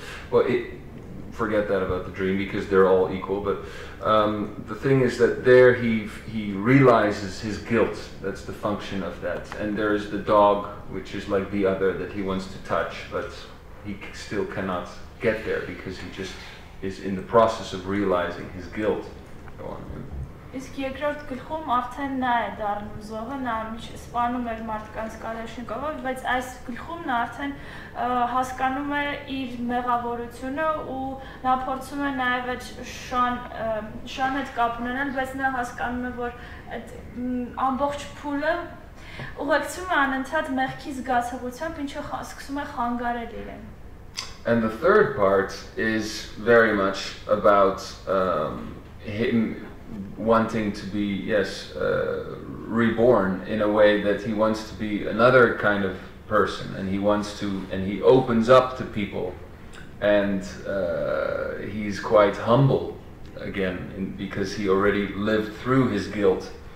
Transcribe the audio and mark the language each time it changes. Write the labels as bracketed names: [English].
[English] Well, forget that about the dream, because they're all equal, but the thing is that there he realizes his guilt. That's the function of that. And there is the dog, which is like the other that he wants to touch, but he still cannot get there because he just is in the process of realizing his guilt. Go on. [Armenian] Իսկ երկրորդ գլխում արդեն նա է դառնում զոհը, նա սպանում է մարդկանց կանաչնիկով, բայց այս գլխում նա արդեն հասկանում է իր մեղավորությունը ու նա փորձում է նաև այդ շան հետ կապ ունենալ, բայց նա հասկանում է, որ այդ ամբողջ փուլը ուղեկցում է անընդհատ մեղքի զգացողությամբ, ինչը սկսում է խանգարել իրեն. [English] And the third part is very much about him wanting to be, reborn in a way that he wants to be another kind of person, and he wants to, and he opens up to people, and he's quite humble again, because he already lived through his guilt.